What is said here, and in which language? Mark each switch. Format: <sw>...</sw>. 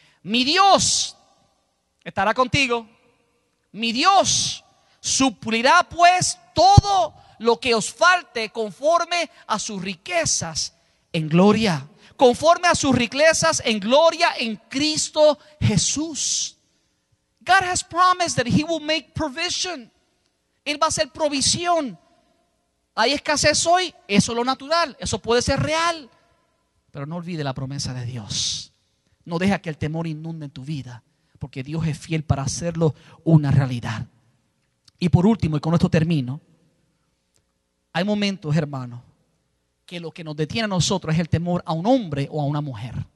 <es>Mi Dios estará contigo. Mi Dios suplirá pues todo lo que os falte conforme a sus riquezas en gloria. Conforme a sus riquezas en gloria en Cristo Jesús.</es> <en>God has promised that he will make provision.</en> <es>Él va a hacer provisión. Hay escasez hoy, eso es lo natural, eso puede ser real. Pero no olvide la promesa de Dios. No deja que el temor inunde tu vida, porque Dios es fiel para hacerlo una realidad. Y por último, y con esto termino, hay momentos, hermano, que lo que nos detiene a nosotros es el temor a un hombre o a una mujer.</es>